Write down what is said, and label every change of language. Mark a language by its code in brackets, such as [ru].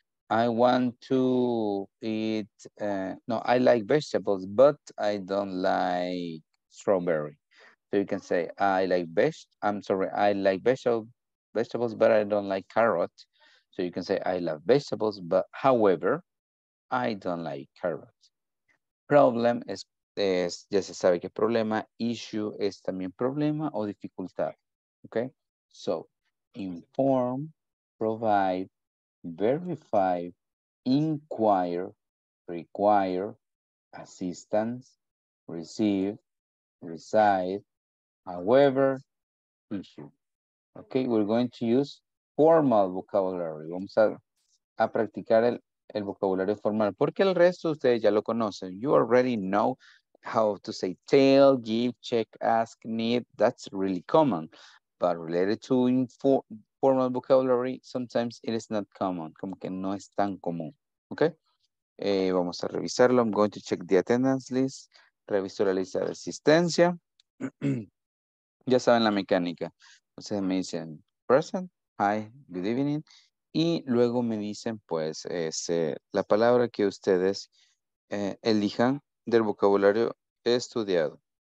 [en] I want to eat, no, I like vegetables, but I don't like strawberry. So you can say, I like vegetables, but I don't like carrot. So you can say, I love vegetables, but however, I don't like carrot. [es] Problem es ya se sabe que problema, issue es también problema o dificultad. [en] Okay, so inform, provide, verify, inquire, require, assistance, receive, reside, however, issue. Okay, we're going to use formal vocabulary. [es] Vamos a practicar el vocabulario formal, porque el resto de ustedes ya lo conocen. [en] You already know how to say tell, give, check, ask, need. That's really common. But related to formal vocabulary, sometimes it is not common, [es] como que no es tan común, [en] ok? [es] Vamos a revisarlo, [en] I'm going to check the attendance list, [es] reviso la lista de asistencia, ya saben la mecánica, entonces me dicen [en] present, hi, good evening, [es] y luego me dicen pues la palabra que ustedes elijan del vocabulario estudiado.